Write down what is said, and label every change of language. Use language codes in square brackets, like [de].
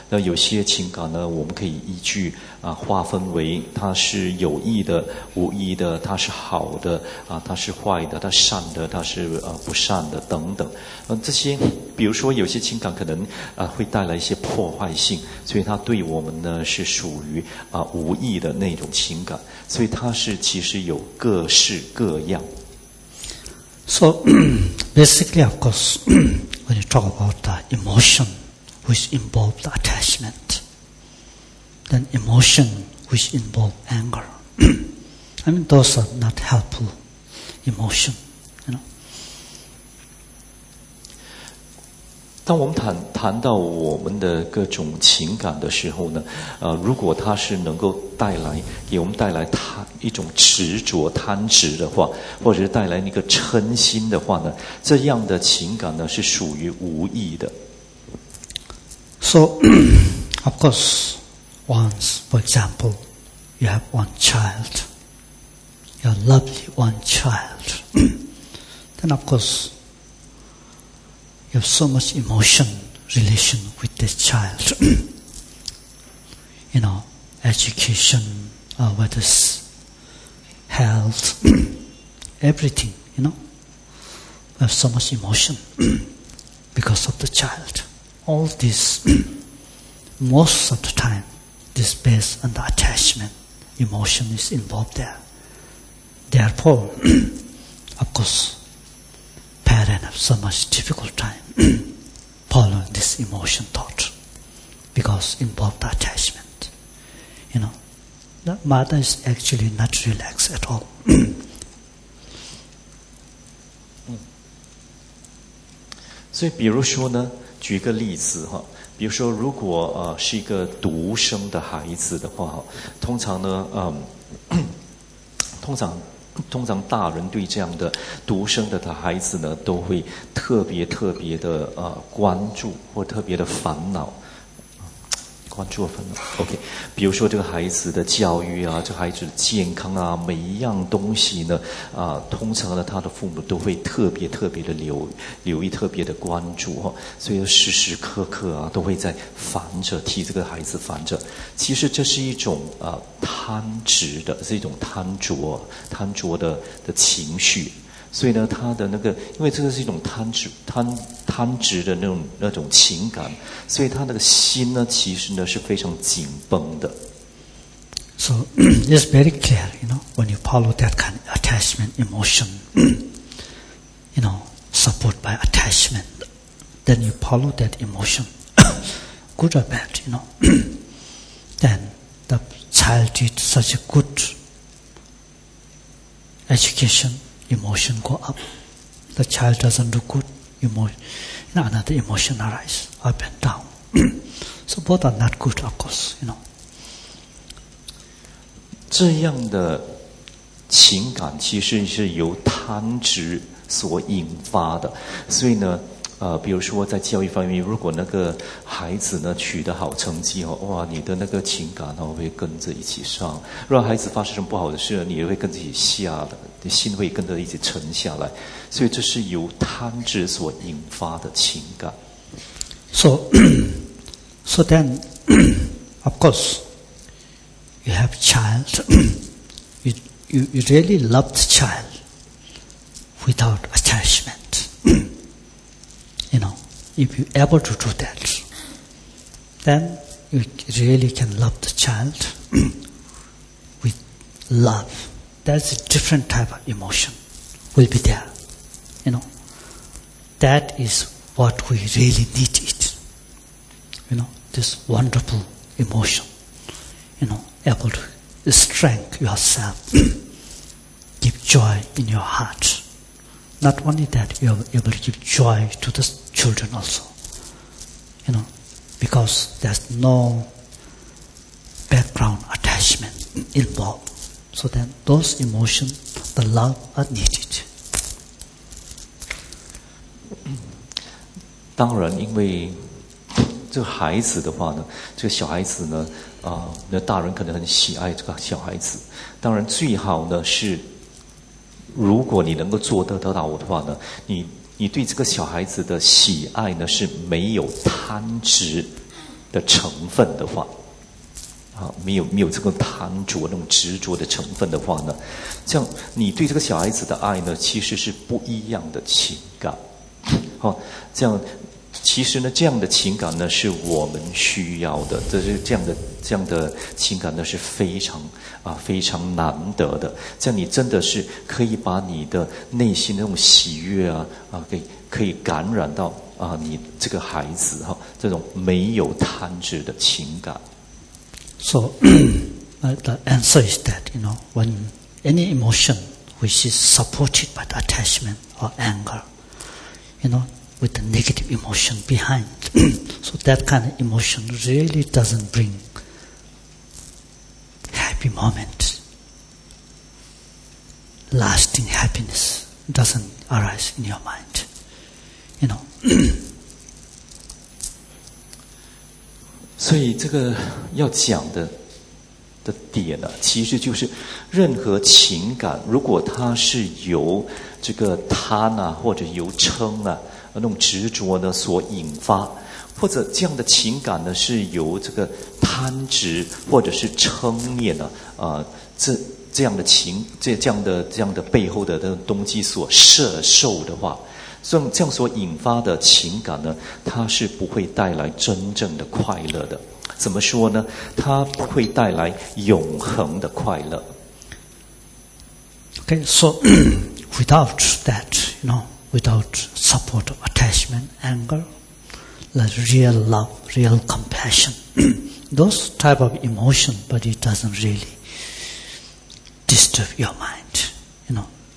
[zh] 那有些情感呢，我们可以依据划分为它是有益的、无益的，它是好的它是坏的，它善的，它是不善的等等。这些，比如说有些情感可能会带来一些破坏性，所以它对我们呢是属于无益的那种情感。所以它是其实有各式各样。 [en] So basically, of course, when you talk about the emotion which involves the attachment, then emotion which involves anger, I mean, those are not helpful emotion, you know. [zh] 当我们谈到我们的各种情感的时候呢，如果它是能够带来给我们带来一种执着贪执的话，或者是带来那个嗔心的话呢，这样的情感呢是属于无益的。 [en] So, of course, once, for example, you have one child, your lovely one child, then of course, you have so much emotion relation with this child. You know, education, whether it's health, everything, you know. You have so much emotion because of the child. All this, most of the time, this based on the attachment, emotion is involved there. Therefore, of course, parents have so much difficult time following this emotion thought because involved the attachment. You know, the mother is actually not relaxed at all. [zh] So, 比如说呢，举个例子哈，比如说如果是一个独生的孩子的话，通常呢，通常大人对这样的独生的孩子呢，都会特别特别的关注或特别的烦恼，关注烦恼。 OK， 比如说这个孩子的教育啊，这个、孩子的健康啊，每一样东西呢通常呢他的父母都会特别特别的留意，特别的关注哈、所以时时刻刻啊都会在烦着，替这个孩子烦着。其实这是一种贪执的，是一种贪着的情绪。所以呢，他的那个，因为这个是一种贪执、贪执的那种情感，所以他那个心呢，其实呢是非常紧绷的。 [en] So it's very clear, you know, when you follow that kind of attachment emotion, you know, support by attachment, then you follow that emotion, good or bad, you know, then the child did such a good education. Emotion go up. The child doesn't do good. Emotion, another emotion arise up and down. So both are not good, of course. You know. [zh] 这样的情感其实是由贪执所引发的。所以呢，比如说在教育方面，如果那个孩子呢取得好成绩哦，哇，你的那个情感呢会跟着一起上。如果孩子发生什么不好的事，你也会跟着一起下的。心会跟着一起沉下来，所以这是由贪执所引发的情感。 [en] So then, of course, you have child, you really love the child without attachment. You know, if you able to do that, then you really can love the child with love. That's a different type of emotion will be there, you know. That is what we really need it, you know, this wonderful emotion, you know, able to strengthen yourself, give joy in your heart. Not only that, you are able to give joy to the children also, you know, because there's no background attachment involved. So then, those emotions, the love, are needed. [zh] 当然，因为这个孩子的话呢，这个小孩子呢，那大人可能很喜爱这个小孩子。当然，最好呢是，如果你能够做得到我的话呢，你对这个小孩子的喜爱呢是没有贪执的成分的话。啊，没有这个贪着那种执着的成分的话呢，像你对这个小孩子的爱呢，其实是不一样的情感。好，这样其实呢，这样的情感呢是我们需要的，这是这样的情感呢是非常难得的。这样你真的是可以把你的内心那种喜悦啊可以感染到你这个孩子哈，这种没有贪执的情感。 [en] So, the answer is that, you know, when any emotion which is supported by the attachment or anger, you know, with the negative emotion behind, so that kind of emotion really doesn't bring happy moment, lasting happiness doesn't arise in your mind, you know. [zh] 所以这个要讲的点呢、啊，其实就是任何情感，如果它是由这个贪啊，或者由嗔啊，那种执着呢所引发，或者这样的情感呢是由这个贪执或者是嗔念呢，这样的背后的东西所摄受的话。这样所引发的情感呢，它是不会带来真正的快乐的。怎么说呢？它不会带来永恒的快乐。 [en] Okay, so without that, you know, without support of attachment, anger, like real love, real compassion, those type of emotion, but it doesn't really disturb your mind, you know.